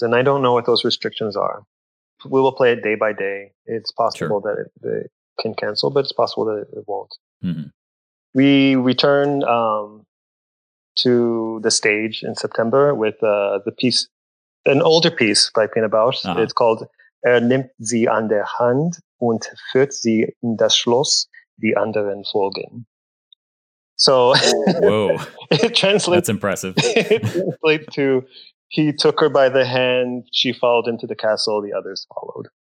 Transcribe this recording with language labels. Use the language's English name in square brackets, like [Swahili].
[English] And I don't know what those restrictions are. We will play it day by day. It's possible that it can cancel, but it's possible that it won't. Mm-hmm. We return to the stage in September with the piece, an older piece by Pina Bausch. Uh-huh. It's called [German] Er nimmt sie an der Hand und führt sie in das Schloss, die anderen folgen. [English] So, whoa, it translates, that's impressive. It translates to, he took her by the hand, she followed into the castle, the others followed.